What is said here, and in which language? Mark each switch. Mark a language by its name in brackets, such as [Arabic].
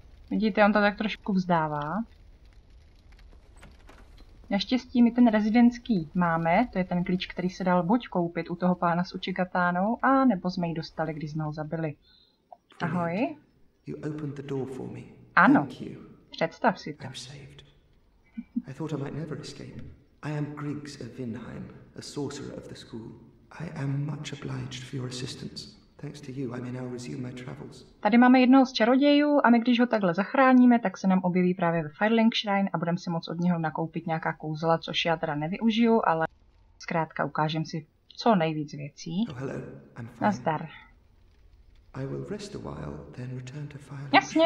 [Czech] Vidíte, on to tak trošku vzdává. Naštěstí my ten rezidentský máme, to je ten klíč, který se dal buď koupit u toho pána s učikatánou, a nebo jsme ji dostali, když jsme ho zabili. Ahoj. [English] You opened the door for me. [Czech] Ano. [English] Thank you. [Czech] Představ si to. [English] I'm saved. I thought I might never escape. I am Griggs of Vinheim, a sorcerer of the school. I am much obliged for your assistance. Thanks to you, I may now resume my travels. [Czech] Tady máme jednoho z čarodějů a my když ho takhle zachráníme, tak se nám objeví právě ve Firelink Shrine a budeme si moc od něho nakoupit nějaká kouzla, což já teda nevyužiju, ale zkrátka ukážem si co nejvíc věcí. [English] Oh, hello. I'm fine. [Czech] Nazdar. [English] I will rest a while, then return to Firelink Shrine.